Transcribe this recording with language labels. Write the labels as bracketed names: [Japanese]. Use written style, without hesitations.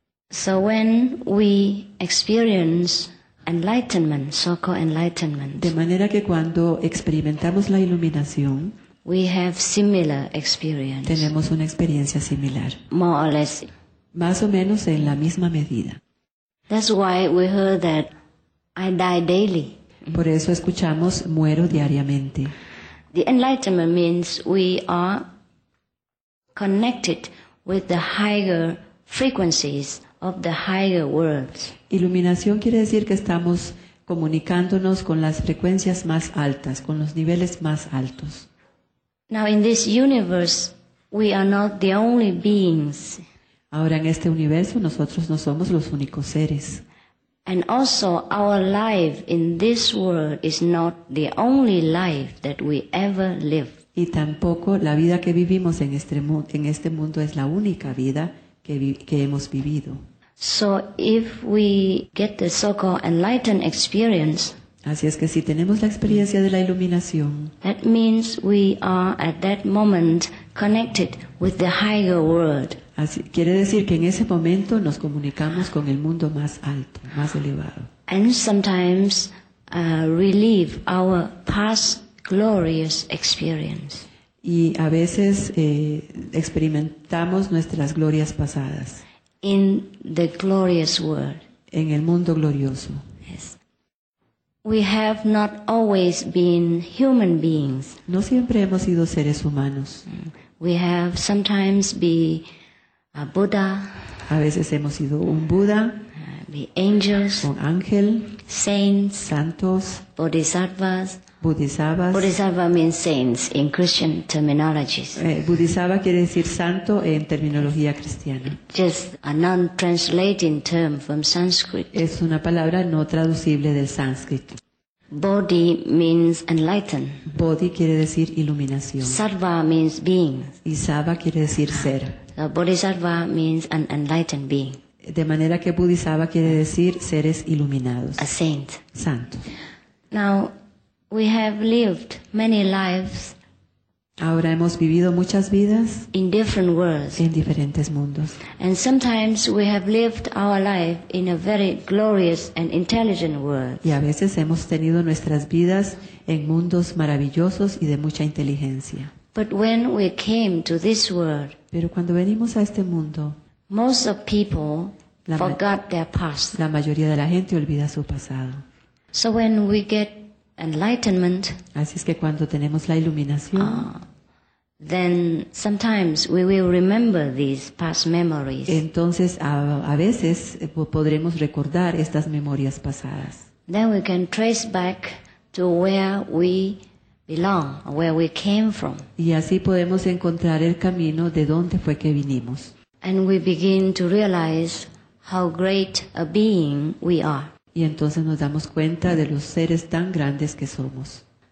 [English] So when we experience enlightenment, so-called enlightenment, [Spanish] de manera que cuando experimentamos la iluminación, [English] we have similar experience, [Spanish] tenemos una experiencia similar, [English] more or less, [Spanish] más o menos en la misma medida. [English] That's why we heard that I die daily. [Spanish] Por eso escuchamos muero diariamente. [English] The enlightenment means we are connected with the higher frequencies of the higher worlds. [Spanish] Iluminación quiere decir que estamos comunicándonos con las frecuencias más altas, con los niveles más altos. [English] Now in this universe, we are not the only beings. [Spanish] Ahora en este universo nosotros no somos los únicos seres. [English] And also our life in this world is not the only life that we ever live. [Spanish] Y tampoco la vida que vivimos en este mundo es la única vida que hemos vivido. [English] So if we get the so-called enlightened experience, [Spanish] así es que si tenemos la experiencia de la iluminación, [English] that means we are at that moment connected with the higher world. [Spanish] Así, quiere decir que en ese momento nos comunicamos con el mundo más alto, más elevado. [English] And sometimes relive our past glorious experience. [Spanish] Y a veces experimentamos nuestras glorias pasadas. [English] In the glorious world. [Spanish] En el mundo glorioso. [English] Yes. We have not always been human beings. [Spanish] No siempre hemos sido seres humanos. [English] We have sometimes been a Buddha. [Spanish] A veces hemos sido un Buddha. [English] Be angels. [Spanish] Un ángel. [English] Saints. [Spanish] Santos. [English] Bodhisattvas. [Spanish] Bodhisattvas. [English] Bodhisattva means saints in Christian terminologies. [Spanish] Bodhisattva quiere decir santo en terminología cristiana. [English] Just a non-translating term from Sanskrit. [Spanish] Es una palabra no traducible del sánscrito. [English] Bodhi means enlightened. [Spanish] Bodhi quiere decir iluminación. [English] Sattva means being. [Spanish] Y sattva quiere decir ser. [English] So bodhisattva means an enlightened being. [Spanish] De manera que bodhisattva quiere decir seres iluminados. [English] A saint. [Spanish] Santo. [English] Now, we have lived many lives. [Spanish] Ahora hemos vivido muchas vidas. [English] In different worlds. [Spanish] En diferentes mundos. [English] And sometimes we have lived our life in a very glorious and intelligent world. [Spanish] Y a veces hemos tenido nuestras vidas en mundos maravillosos y de mucha inteligencia. [English] But when we came to this world, [Spanish] pero cuando venimos a este mundo, [English] most of people forgot their past. [Spanish] La mayoría de la gente olvida su pasado. [English] So when we get enlightenment, [Spanish] así es que cuando tenemos la iluminación, [English] then sometimes we will remember these past memories. [Spanish] Entonces a veces podremos recordar estas memorias pasadas. [English] Then we can trace back to where we belong, where we came from. [Spanish] Y así podemos encontrar el camino de dónde fue que vinimos. [English] And we begin to realize how great a being we are. [Spanish] Y entonces nos damos cuenta de los seres tan grandes que somos.